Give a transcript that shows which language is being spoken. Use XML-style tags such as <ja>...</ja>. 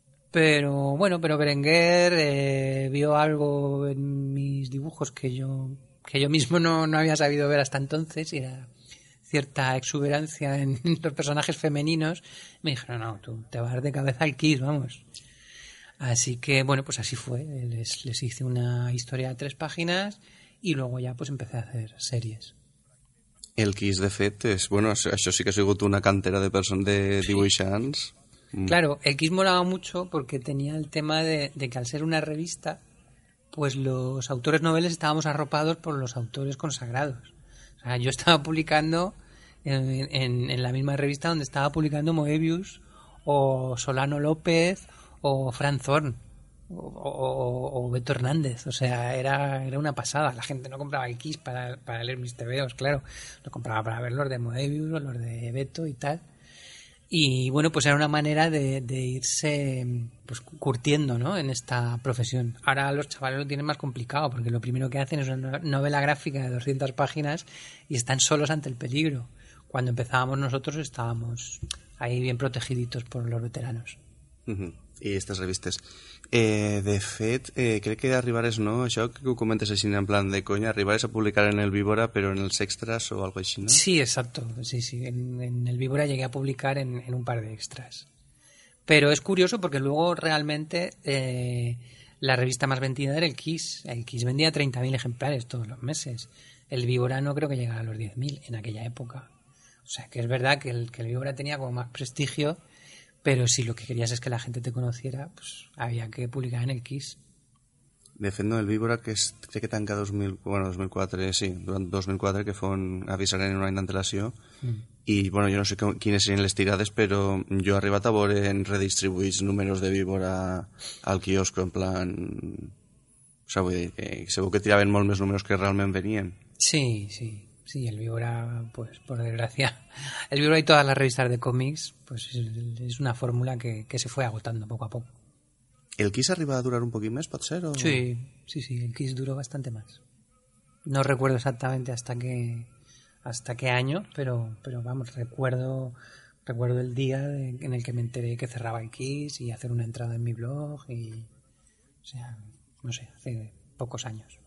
<es>Pero bueno, pero Berenguer vio algo en mis dibujos que yo mismo no había sabido ver hasta entonces, y era cierta exuberancia en los personajes femeninos, me dijeron, no, tú te vas de cabeza al Kiss, vamos. Así que, bueno, pues así fue. Les hice una historia de 3 páginas y luego ya pues empecé a hacer series.</es> <ca>El Kiss, de fet, és, bueno, això sí que ha sigut una cantera de persones de dibuixants.</ca> <es>Claro, el Kiss molava mucho porque tenía el tema de que al ser una revista, pues los autores noveles estábamos arropados por los autores consagrados. O sea, yo estaba publicando en la misma revista donde estaba publicando Moebius o Solano López o Fran Zorn o Beto Hernández. O sea, era una pasada. La gente no compraba el Kiss para leer mis tebeos, claro. Lo compraba para ver los de Moebius o los de Beto y tal. Y bueno, pues era una manera de irse pues curtiendo, ¿no?, en esta profesión. Ahora los chavales lo tienen más complicado porque lo primero que hacen es una novela gráfica de 200 páginas y están solos ante el peligro. Cuando empezábamos nosotros estábamos ahí bien protegiditos por los veteranos. Y estas revistas.</es> <ca>De fet, crec que Arribares no, això que ho comentes així en plan de conya, Arribares a publicar en el Víbora però en els extras o algo així, no?</ca> <es>Sí, exacto, sí, sí, en el Víbora llegué a publicar en un par de extras, pero es curioso porque luego realmente la revista más vendida era el Kiss vendía 30.000 ejemplares todos los meses, el Víbora no creo que llegara a los 10.000 en aquella época, o sea que es verdad que el Víbora tenía como más prestigio. Pero si lo que querías es que la gente te conociera, pues había que publicar en el Kiss.</es> <ca>Defendo el Víbora, que es, crec que tanca 2000, bueno, 2004, sí, durant 2004, que fon avisar en un any d'antelació. I, bueno, jo no sé quines serien les tirades, però jo he arribat a veure en redistribuïts números de Víbora al quiosco, en plan...</ca> <es>O sea,</es> <ca>vull dir, segur que tiraven molt més números que realment venien.</ca> <es>Sí, sí. Sí, el Víbora, pues por desgracia, el Víbora y todas las revistas de cómics, pues es una fórmula que se fue agotando poco a poco. ¿El Kiss</es> <ca>arriba a durar</ca> <es>un poquito más, puede ser? O... Sí, sí, sí, el Kiss duró bastante más. No recuerdo exactamente hasta qué año, pero vamos, recuerdo el día en el que me enteré que cerraba el Kiss y hacer una entrada en mi blog y, o sea, no sé, hace pocos años.</es>